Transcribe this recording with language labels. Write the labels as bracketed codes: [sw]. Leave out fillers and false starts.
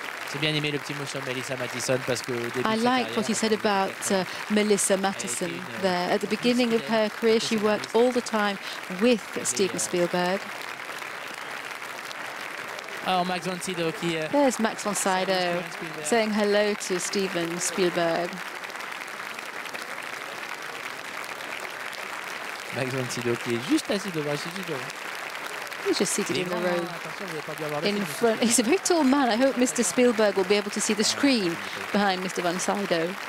[fr] J'ai bien aimé le petit mot sur Melissa Mathison parce que au début [en] I like what he said about Melissa Mathison there. At the beginning of her career, she worked all the time with Steven Spielberg. [fr] Oh, Max von Sydow qui est. [en] There's Max von Sydow saying hello to Steven Spielberg. [fr] Max von Sydow qui est juste assis devant, c'est juste devant. [en] He's just seated in the row in front. He's a very tall man. I hope Mr. Spielberg will be able to see the screen behind Mr. von Sydow.